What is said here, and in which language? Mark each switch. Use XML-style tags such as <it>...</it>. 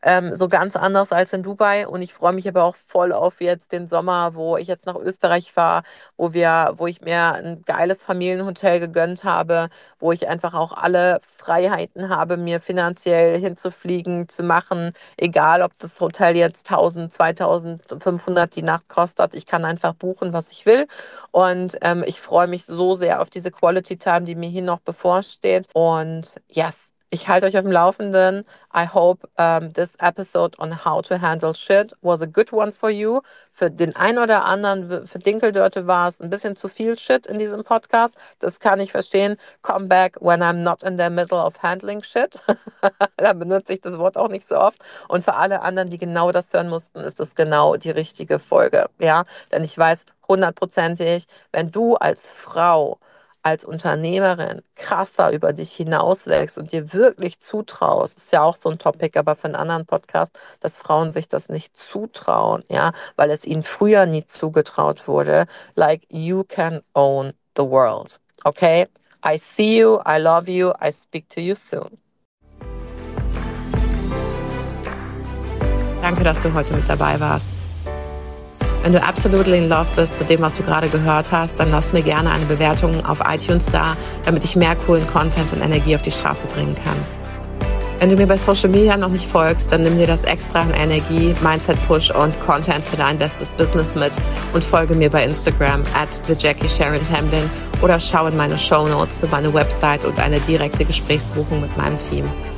<de>So ganz anders als in Dubai. Und ich freue mich aber auch voll auf jetzt den Sommer, wo ich jetzt nach Österreich fahre, wo ich mir ein geiles Familienhotel gegönnt habe, wo ich einfach auch alle Freiheiten habe, mir finanziell hinzufliegen, zu machen. Egal, ob das Hotel jetzt 1000, 2500 die Nacht kostet. Ich kann einfach buchen, was ich will. Und ich freue mich so sehr auf diese Quality Time, die mir hier noch bevorsteht. Und yes, ich halte euch auf dem Laufenden.</de> <en>I hope this episode on how to handle shit was a good one for you.</en> <de>Für den einen oder anderen, für Dinkeldörte war es ein bisschen zu viel Shit in diesem Podcast. Das kann ich verstehen.</de> <en>Come back when I'm not in the middle of handling shit.</en> <de>Da benutze ich das Wort auch nicht so oft. Und für alle anderen, die genau das hören mussten, ist das genau die richtige Folge. Ja, denn ich weiß hundertprozentig, wenn du als Frau, als Unternehmerin krasser über dich hinauswächst und dir wirklich zutraust, ist ja auch so ein Topic, aber für einen anderen Podcast, dass Frauen sich das nicht zutrauen, ja, weil es ihnen früher nie zugetraut wurde.</de> <en>Like, you can own the world. Okay? I see you, I love you, I speak to you soon.</en> <de>Danke, dass du heute mit dabei warst. Wenn du absolut in love bist mit dem, was du gerade gehört hast, dann lass mir gerne eine Bewertung auf iTunes da, damit ich mehr coolen Content und Energie auf die Straße bringen kann. Wenn du mir bei Social Media noch nicht folgst, dann nimm dir das extra an Energie, Mindset-Push und Content für dein bestes Business mit und folge mir bei Instagram @thejackiesharontemlin oder schau in meine Shownotes für meine Website und eine direkte Gesprächsbuchung mit meinem Team.</de>